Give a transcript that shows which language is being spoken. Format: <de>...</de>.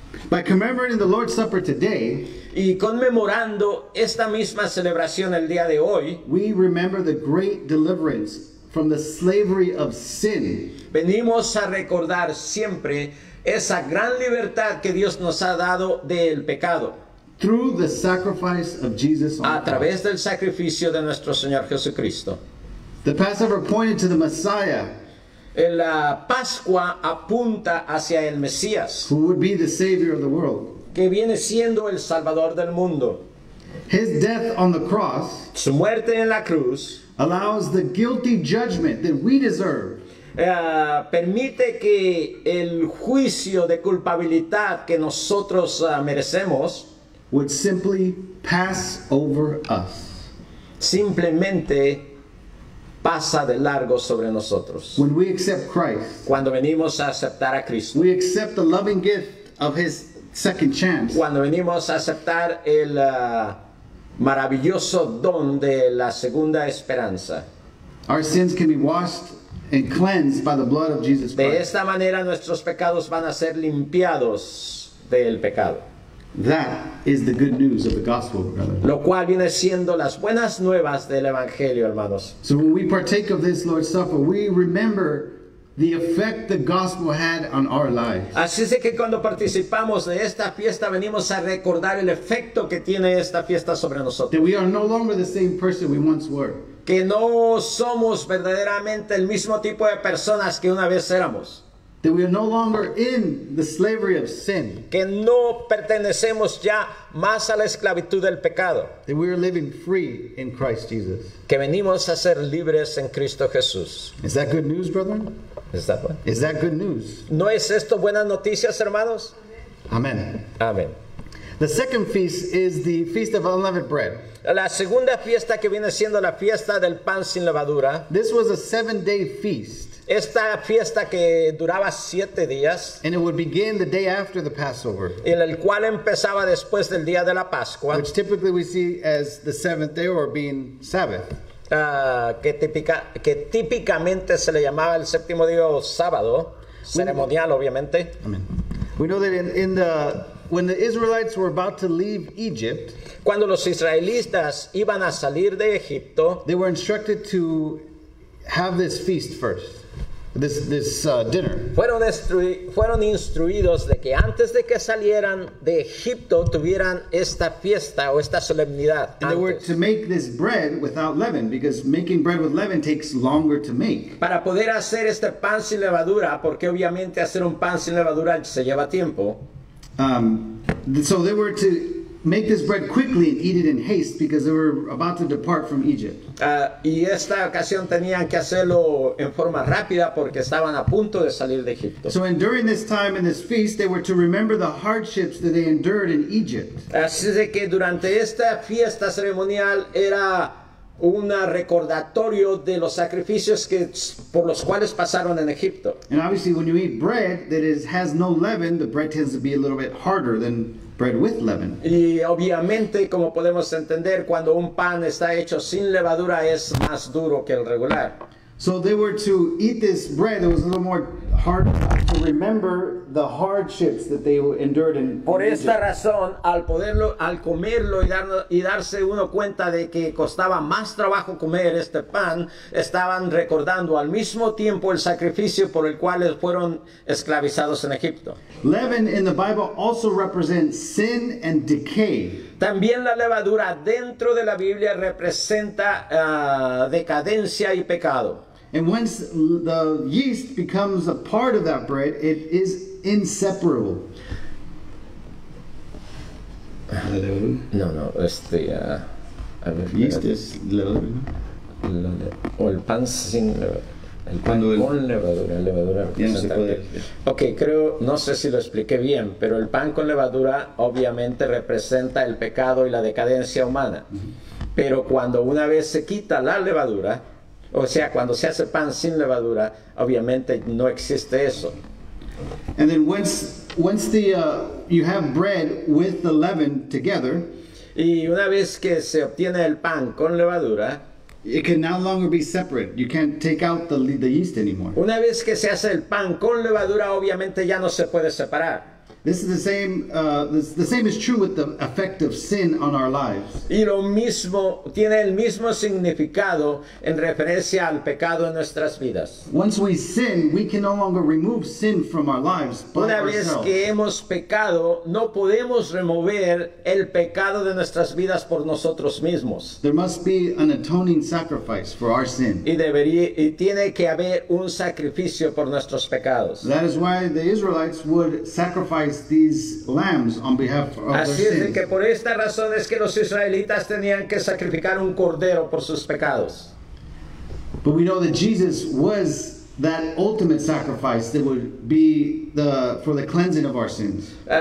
<en>By commemorating the Lord's Supper today,</en> <es>y conmemorando esta misma celebración el día de hoy,</es> <en>we remember the great deliverance from the slavery of sin.</en> <es>Venimos a recordar siempre esa gran libertad que Dios nos ha dado del pecado.</es> <en>Through the sacrifice of Jesus on the cross.</en> <es>A través del sacrificio de nuestro Señor Jesucristo.</es> <en>The Passover pointed to the Messiah.</en> <es>La Pascua apunta hacia el Mesías.</es> <en>Who would be the Savior of the world.</en> <es>Que viene siendo el Salvador del mundo.</es> <en>His death on the cross,</en> <es>su muerte en la cruz,</es> <en>allows the guilty judgment that we deserve,</en> <es>permite que el juicio de culpabilidad que nosotros merecemos,</es> <en>would simply pass over us.</en> <es>Simplemente pasa de largo sobre nosotros.</es> <en>When we accept Christ,</en> <es>cuando venimos a aceptar a Cristo,</es> <en>we accept the loving gift of his second chance.</en> <es>Cuando venimos a aceptar el maravilloso don de la segunda esperanza.</es> <en>Our sins can be washed and cleansed by the blood of Jesus Christ.</en> <es>De esta manera nuestros pecados van a ser limpiados del pecado.</es> <en>That is the good news of the gospel, brother.</en> <es>Lo cual viene siendo las buenas nuevas del evangelio, hermanos.</es> <en>So when we partake of this Lord's Supper, we remember the effect the gospel had on our lives.</en> <es>Así es que cuando participamos de esta fiesta venimos a recordar el efecto que tiene esta fiesta sobre nosotros.</es> <en>That we are no longer the same person we once were.</en> <es>Que no somos verdaderamente el mismo tipo de personas que una vez éramos.</es> <en>That we are no longer in the slavery of sin.</en> <es>Que no pertenecemos ya más a la esclavitud del pecado.</es> <en>That we are living free in Christ Jesus.</en> <es>Que venimos a ser libres en Cristo Jesús.</es> <en>Is that good news, brethren? Is that good news?</en> <es>¿No es esto buenas noticias, hermanos? Amen. Amen.</es> <en>The second feast is the Feast of Unleavened Bread.</en> <es>La segunda fiesta que viene siendo la fiesta del pan sin levadura.</es> <en>This was a seven-day feast.</en> <es>Esta fiesta que duraba siete días.</es> <en>And it would begin the day after the Passover.</en> <es>El cual empezaba después del día de la Pascua.</es> <en>Which typically we see as the seventh day or being Sabbath.</en> <es>Que típicamente se le llamaba el séptimo día o sábado, ceremonial, obviamente. Amen.</es> <en>We know that when the Israelites were about to leave Egypt,</en> <es>cuando los israelitas iban a salir de Egipto,</es> <en>they were instructed to have this feast first, this dinner.</en> <es>Fueron instruidos de que antes de que salieran de Egipto tuvieran esta fiesta o esta solemnidad.</es> <en>And they were to make this bread without leaven, because making bread with leaven takes longer to make.</en> <es>Para poder hacer este pan sin levadura, porque obviamente hacer un pan sin levadura se lleva tiempo.</es> <en>So they were to make this bread quickly and eat it in haste because they were about to depart from Egypt.</en> <es>Y esta ocasión tenían que hacerlo en forma rápida porque estaban a punto de salir de Egipto.</es> <en>So and during this time in this feast, they were to remember the hardships that they endured in Egypt.</en> <es>Así de que durante esta fiesta ceremonial era un recordatorio de los sacrificios que por los cuales pasaron en Egipto.</es> <en>And obviously, when you eat bread that is has no leaven, the bread tends to be a little bit harder than bread with leaven.</en> <es>Y obviamente, como podemos entender, cuando un pan está hecho sin levadura es más duro que el regular.</es> <en>So they were to eat this bread that was a little more hard to remember the hardships that they endured in</en> <es>Por</es> <en>Egypt.</en> <es>Esta razón, al comerlo y darse uno cuenta de que costaba más trabajo comer este pan, estaban recordando al mismo tiempo el sacrificio por el cual fueron esclavizados en Egipto.</es> <en>Leaven in the Bible also represents sin and decay.</en> <es>También la levadura dentro de la Biblia representa decadencia y pecado.</es> <en>And once the yeast becomes a part of that bread, it is inseparable. Hello?</en> <es>No, no, este, a ver, yeast es levadura. O el pan sin levadura. El pan con levadura, levadura. Ya no se puede. Ok, creo, no sé si lo expliqué bien, pero el pan con levadura obviamente representa el pecado y la decadencia humana. Pero cuando una vez se quita la levadura, o sea, cuando se hace pan sin levadura, obviamente no existe eso.</es> <en>And then once the you have bread with the leaven together,</en> <es>y una vez que se obtiene el pan con levadura,</es> <en>it can no longer be separate. You can't take out the yeast anymore.</en> <es>Una vez que se hace el pan con levadura, obviamente ya no se puede separar.</es> <en>This is the same. The same is true with the effect of sin on our lives.</en> <es>Y lo mismo tiene el mismo significado en referencia al pecado en nuestras vidas.</es> <en>Once we sin, we can no longer remove sin from our lives by ourselves.</en> <es>Una vez que hemos pecado, no podemos remover el pecado de nuestras vidas por nosotros mismos.</es> <en>There must be an atoning sacrifice for our sin.</en> <es>Y tiene que haber un sacrificio por nuestros pecados.</es> <en>That is why the Israelites would sacrifice these lambs on behalf of their sins.</en> <es>Así es que por esta razón es que los israelitas tenían que sacrificar un cordero por sus pecados.</es> <en>But we know that Jesus was that ultimate sacrifice that would be for the cleansing of our sins.</en>